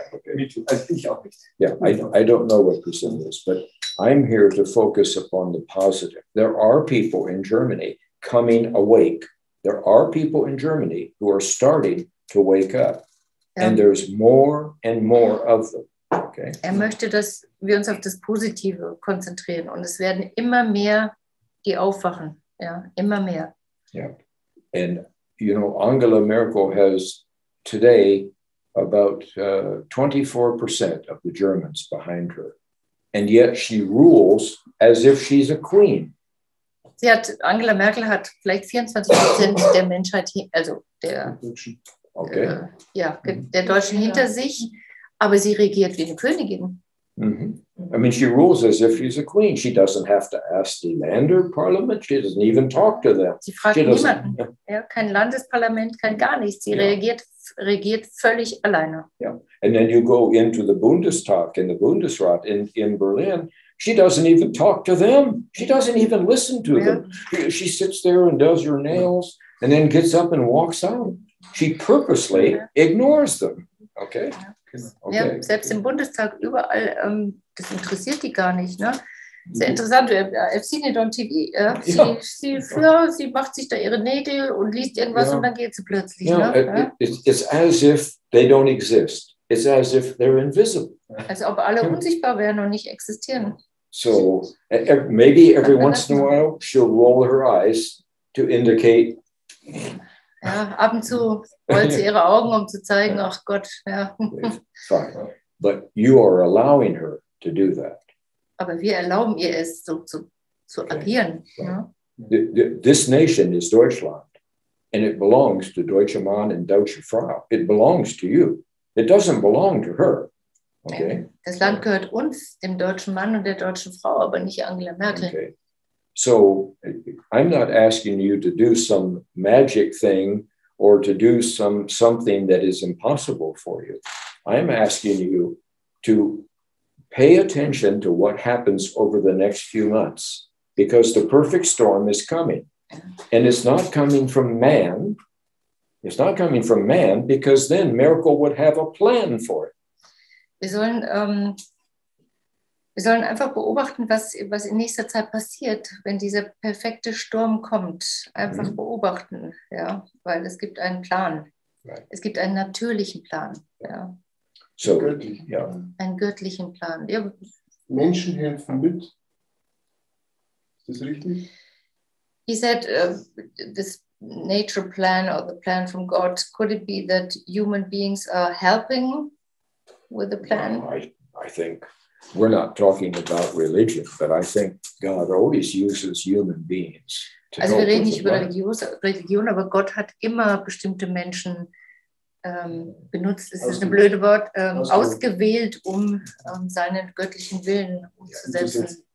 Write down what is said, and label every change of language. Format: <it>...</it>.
<en>Okay. Yeah, I don't know what percent is, but I'm here to focus upon the positive. There are people in Germany coming awake. There are people in Germany who are starting to wake up, and there's more and more of them. Okay.</en> <de>Er möchte, dass wir uns auf das Positive konzentrieren, und es werden immer mehr, die aufwachen. Ja, immer mehr.</de> <en>Yeah. And, you know, Angela Merkel has today about 24% of the Germans behind her. And yet she rules as if she's a queen.</en> <de>Angela Merkel hat vielleicht 24% der Menschheit, also der Deutschen, okay. Der Deutschen hinter sich, aber sie regiert wie eine Königin.</de> <en>Mm-hmm. I mean, she rules as if she's a queen. She doesn't have to ask the Länder Parliament. She doesn't even talk to them.</en> <de>Sie fragt niemanden. Ja, kein Landesparlament, kein gar nichts. Sie regiert völlig alleine.</de> <en>Yeah. And then you go into the Bundestag and the Bundesrat in Berlin. She doesn't even talk to them. She doesn't even listen to them. She sits there and does her nails and then gets up and walks out. She purposely ignores them. Okay. Yeah. Okay.</en> <de>Ja, selbst im Bundestag, überall, das interessiert die gar nicht. Ne? Sehr interessant,</de> <en>I've seen it on TV. Ja?</en> <de>Sie macht sich da ihre Nägel und liest irgendwas und dann geht sie plötzlich. Ja, ne?</de> <en>It's as if they don't exist. It's as if they're invisible.</en> <de>Als ob alle unsichtbar wären und nicht existieren.</de> <en>So, maybe every once in a while she'll roll her eyes to indicate...</en> <de>Ja, ab und zu rollt sie ihre Augen, um zu zeigen, ach Gott, ja.</de> <en>Fine. But you are allowing her to do that.</en> <de>Aber wir erlauben ihr es, so zu agieren. Okay. Ja.</de> <en>This nation is Deutschland. And it belongs to</en> <de>Deutsche Mann und Deutsche Frau.</de> <en>It belongs to you. It doesn't belong to her. Okay.</en> <de>Das Land gehört uns, dem deutschen Mann und der deutschen Frau, aber nicht Angela Merkel. Okay.</de> <en>So I'm not asking you to do some magic thing or to do something that is impossible for you. I'm asking you to pay attention to what happens over the next few months, because the perfect storm is coming. And it's not coming from man. It's not coming from man, because then miracle would have a plan for it.</en> <de>Wir sollen einfach beobachten, was in nächster Zeit passiert, wenn dieser perfekte Sturm kommt. Einfach beobachten, ja, weil es gibt einen Plan. Right. Es gibt einen natürlichen Plan, ja. So, göttlich, ja. Einen göttlichen Plan. Ja. Menschen helfen mit. Ist das richtig?</de> <en>He said, this nature plan or the plan from God, could it be that human beings are helping with the plan? No, I think... We're not talking about religion, but I think God always uses human beings to help.</en> <de>Also wir reden nicht über Religion, aber Gott hat immer bestimmte Menschen benutzt, es ist ein blödes Wort, ausgewählt, um seinen göttlichen Willen umzusetzen.</de>